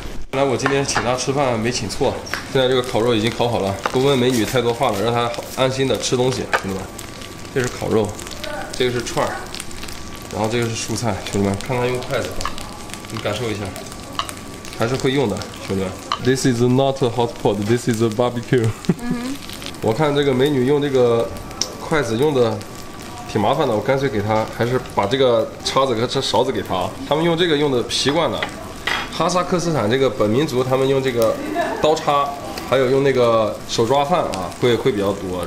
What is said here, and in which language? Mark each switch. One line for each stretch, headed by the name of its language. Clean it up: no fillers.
Chinese: 看来我今天请她吃饭没请错，现在这个烤肉已经烤好了，不问美女太多话了，让她安心的吃东西，兄弟们。这是烤肉，这个是串，然后这个是蔬菜，兄弟们，看她用筷子吧，你感受一下，还是会用的，兄弟们。
English: This is not a hot pot, this is a barbecue.
Chinese: 我看这个美女用这个筷子用的挺麻烦的，我干脆给她，还是把这个叉子和这勺子给她，他们用这个用的习惯了。哈萨克斯坦这个本民族，他们用这个刀叉，还有用那个手抓饭啊，会比较多。